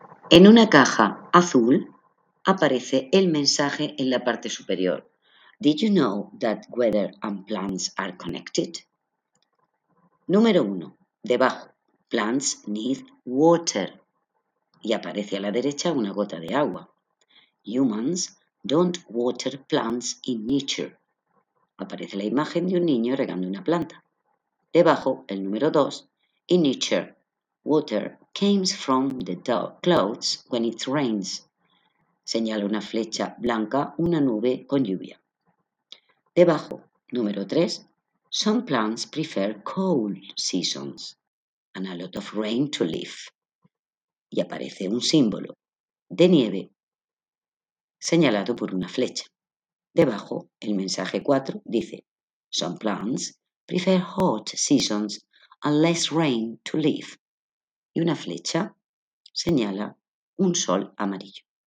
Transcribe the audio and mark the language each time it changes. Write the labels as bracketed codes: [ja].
[es] En una caja azul aparece el mensaje en la parte superior. [en] Did you know that weather and plants are connected? [es] Número 1. Debajo. [en] Plants need water. [es] Y aparece a la derecha una gota de agua. [en] Humans don't water plants in nature. [es] Aparece la imagen de un niño regando una planta. Debajo, el número 2. [en] In nature, water comes from the clouds when it rains. [es] Señala una flecha blanca, una nube con lluvia. Debajo, número 3. [en] Some plants prefer cold seasons and a lot of rain to live. [es] Y aparece un símbolo de nieve señalado por una flecha. Debajo, el mensaje 4 dice: [en] Some plants prefer hot seasons and less rain to live. [es] Y una flecha señala un sol amarillo.